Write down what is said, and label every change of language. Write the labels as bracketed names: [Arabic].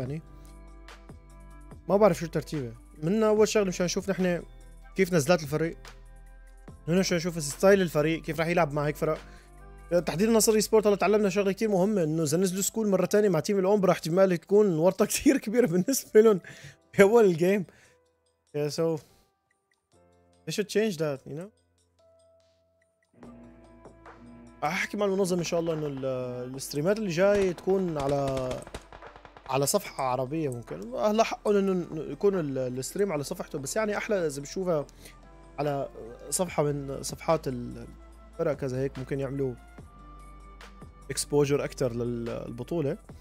[Arabic] يعني ما بعرف شو الترتيبه منا. اول شغله مشان نشوف نحن كيف نزلات الفريق، هنا مشان نشوف ستايل الفريق كيف راح يلعب مع هيك فرق. تحديدا نصر اي سبورت هلا تعلمنا شغله كثير مهمه، انه اذا نزلوا سكول مره ثانيه مع تيم الامبرا احتمال تكون ورطه كثير كبيره بالنسبه لهم باول الجيم. [English] So They should change that, you know. [Arabic] أحكي مع المنظم إن شاء الله إنه الستريمات اللي جاي تكون على صفحة عربية ممكن. هلا حقهم إنه يكون الستريم على صفحته، بس يعني أحلى إذا بشوفها على صفحة من صفحات الفرق كذا، هيك ممكن يعملوا إكسبوجر أكتر للبطولة.